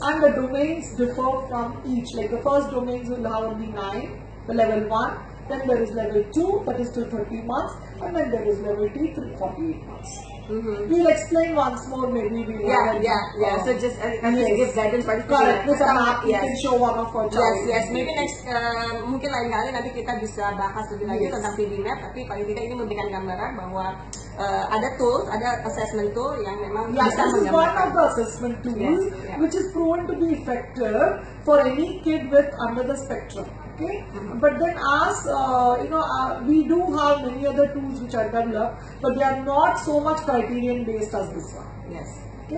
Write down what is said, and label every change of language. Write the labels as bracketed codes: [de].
[en] And the domains differ from each. Like the first domains will have only 9. The level 1, then there is level 2, that is till 30 months, and then there is level 3, till 48 months. We'll explain once more, maybe we'll So just give guidance for the kids. With a map, you can show one of our child. Yes. Maybe next, [id] mungkin lain kali nanti kita bisa bahas lebih lanjut tentang Freebie Map, tapi paling tidak ini memberikan gambaran bahwa ada tools, ada assessment tool yang memang bisa menggambarkan. [en] This is one of the assessment tools, which is proven to be effective for any kid with under the spectrum. Okay, but then as we do have many other tools which are developed, but they are not so much criterion based as this one. Yes. Okay.